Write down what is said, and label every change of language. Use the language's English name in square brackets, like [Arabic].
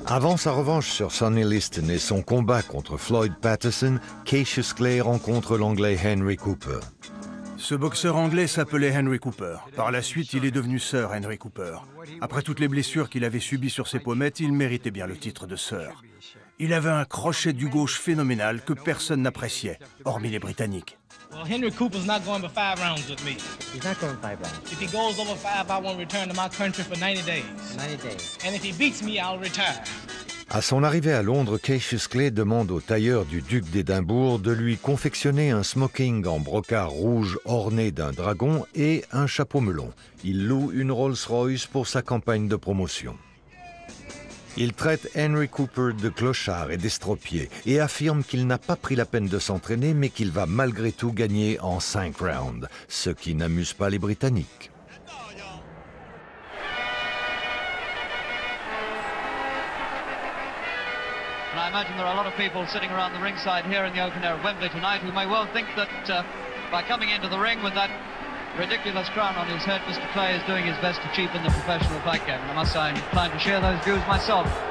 [French] Avant sa revanche sur Sonny Liston et son combat contre Floyd Patterson, Cassius Clay rencontre l'anglais Henry Cooper. Ce boxeur anglais s'appelait Henry Cooper. Par la suite, il est devenu Sir Henry Cooper. Après toutes les blessures qu'il avait subies sur ses pommettes, il méritait bien le titre de Sir. Il avait un crochet du gauche phénoménal que personne n'appréciait, hormis les Britanniques. [English] Well, Henry Cooper's not going for five rounds with me. He's not going five rounds. If he goes over five, I won't return to my country for 90 days. 90 days. And if he beats me, I'll retire. [French] À son arrivée à Londres, Cassius Clay demande au tailleur du duc d'Édimbourg de lui confectionner un smoking en brocart rouge orné d'un dragon et un chapeau melon. Il loue une Rolls-Royce pour sa campagne de promotion. Il traite Henry Cooper de clochard et d'estropié et affirme qu'il n'a pas pris la peine de s'entraîner mais qu'il va malgré tout gagner en 5 rounds, ce qui n'amuse pas les Britanniques. [English] I imagine there are a lot of people sitting around the ringside here in the open air of Wembley tonight who may well think that by coming into the ring with that ridiculous crown on his head, Mr. Clay is doing his best to cheapen the professional fight game. And I must say, I'm inclined to share those views myself.